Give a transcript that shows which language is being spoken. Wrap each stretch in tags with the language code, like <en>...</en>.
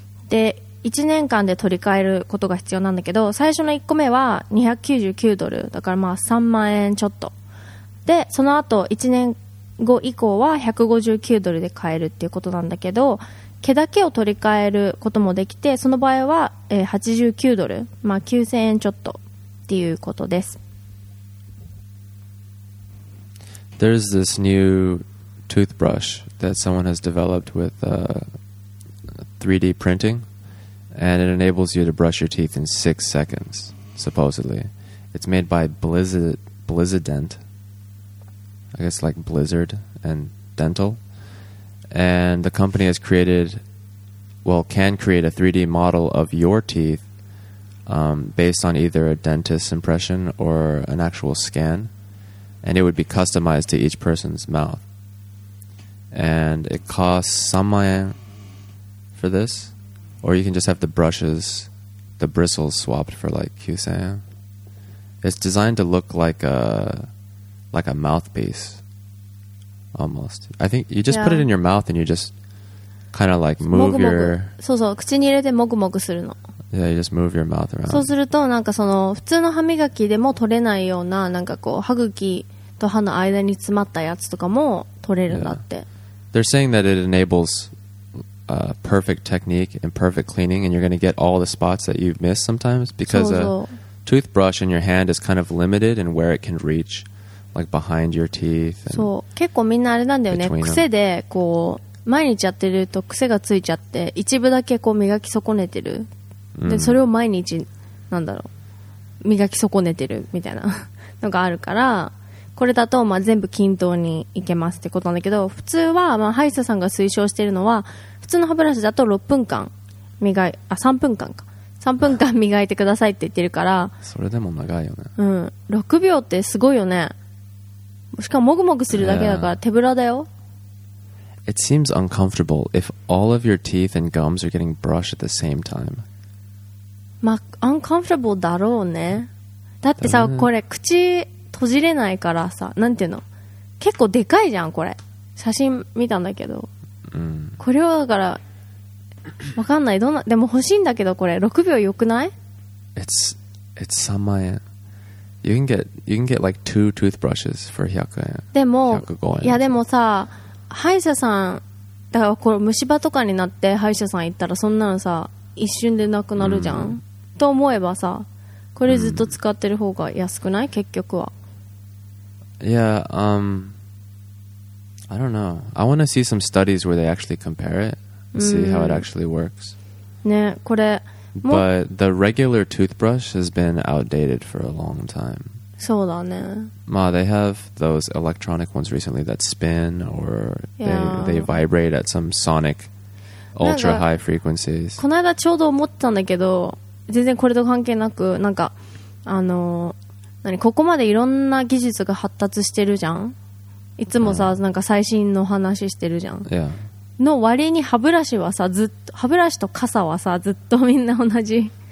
<ja>で1年間で取り替えることが必要なんだけど、最初の1個目は299ドル、だからまあ3万円ちょっとで、その後1年後以降は159ドルで買えるっていうことなんだけど、毛だけを取り替えることもできて、その場合は89ドル、まあ9000円ちょっとっていうことです。</ja> <en>There's this new toothbrush that someone has developed with3D printing, and it enables you to brush your teeth in 6 seconds, supposedly. It's made by Blizzident, I guess like Blizzard and Dental. And the company has created, well, can create a 3D model of your teeth based on either a dentist's impression or an actual scan. And it would be customized to each person's mouth. And it costs some money for this, or you can just have the bristles swapped for like Q-San. It's designed to look like a mouthpiece almost. I think you just put it in your mouth and you just kind of like move your...</en> <ja>そうそう、口に入れてもぐもぐするの。</ja> <en>Yeah, you just move your mouth around.</en> <ja>そうするとなんかその普通の歯磨きでも取れないような、なんかこう歯茎と歯の間に詰まったやつとかも取れるんだって。</ja> <en>They're saying that it enablesperfect technique and perfect cleaning, and you're going to get all the spots that you've missed sometimes because a toothbrush in your hand is kind of limited in where it can reach, like behind your teeth.</en> <ja>そう、結構みんなあれなんだよね。癖でこう毎日やってると癖がついちゃって一部だけこう磨き損ねてる。でそれを毎日なんだろう磨き損ねてるみたいなのがあるから。これだとまあ全部均等にいけますってことなんだけど、普通はまあ歯医者さんが推奨しているのは、普通の歯ブラシだと3分間磨いてくださいって言ってるから、それでも長いよね。うん、6秒ってすごいよね。しかももぐもぐするだけだから手ぶらだよ。</ja> <en>It seems uncomfortable if all of your teeth and gums are getting brushed at the same time.</en> <ja>まあ uncomfortable だろうね。だってさ、これ口閉じれないからさ、なんていうの、結構でかいじゃんこれ。写真見たんだけど、これはだからわかんない、どんな、でも欲しいんだけど、これ6秒良くない？</ja> <en>It's 3万円。You can get like 2 toothbrushes for 100円。</en> <ja>でも105円。いやでもさ、歯医者さんだから、これ虫歯とかになって歯医者さん行ったらそんなのさ一瞬でなくなるじゃん、と思えばさ、これずっと使ってる方が安くない？結局は。</ja> <en>Yeah, I don't know. I want to see some studies where they actually compare it and see how it actually works.</en> <ja>ね、これ。</ja> <en>But the regular toothbrush has been outdated for a long time.</en> <ja>そうだね。</ja> <en>まあ、they have those electronic ones recently that spin or they vibrate at some sonic ultra high frequencies.</en> <ja>この間ちょうど思ったんだけど、全然これと関係なく、なんか、何、ここまでいろんな技術が発達してるじゃん。いつもさ、なんか最新の話してるじゃん。の割に歯ブラシはさ、ずっと、歯ブラシと傘はさ、ずっとみんな同じ。</ja>